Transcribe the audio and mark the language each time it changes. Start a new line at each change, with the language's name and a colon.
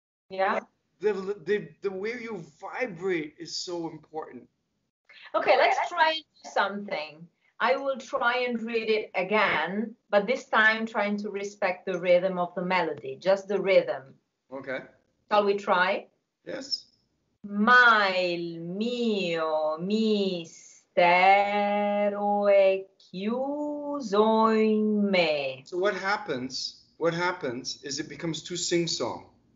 English: Yeah. The way you vibrate is so important. Okay, let's try and do something. I will try and read it again, but this time trying to respect the rhythm of the melody, just the rhythm. Okay. Shall we try? Yes.
Italian: Ma il mio mistero è chiuso in me.
English: So what happens is it becomes too sing-song.